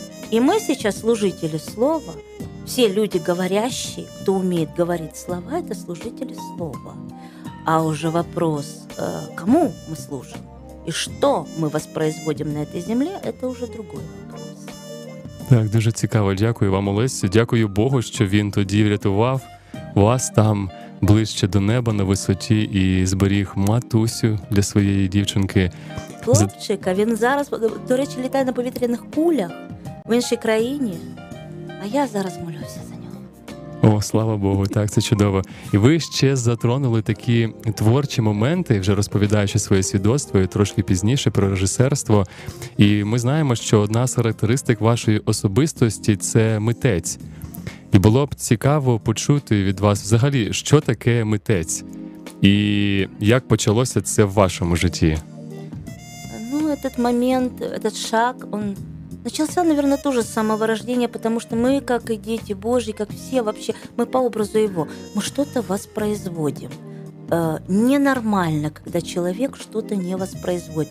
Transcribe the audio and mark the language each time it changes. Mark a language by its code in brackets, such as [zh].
[ru] И мы сейчас служители слова. Все люди говорящие, кто умеет говорить слова, это служители слова. А уже вопрос, кому мы служим и что мы воспроизводим на этой земле, это уже другой вопрос. [uk] Так, дуже цікаво. Дякую вам, Олесю. Дякую Богу, що він тоді врятував вас там ближче до неба на висоті і зберіг матусю для своєї дівчинки. Хлопчика, він зараз, до речі, літає на повітряних кулях в іншій країні. А я зараз молюся за нього. О, слава Богу, так, це чудово. І ви ще затронули такі творчі моменти, вже розповідаючи своє свідоцтво і трошки пізніше про режисерство. І ми знаємо, що одна з характеристик вашої особистості – це митець. І було б цікаво почути від вас взагалі, що таке митець? І як почалося це в вашому житті? [ru] Ну, этот момент, этот шаг, он начался, наверное, тоже с самого рождения, потому что мы, как и дети Божьи, как все вообще, мы по образу Его, мы что-то воспроизводим. Ненормально, когда человек что-то не воспроизводит.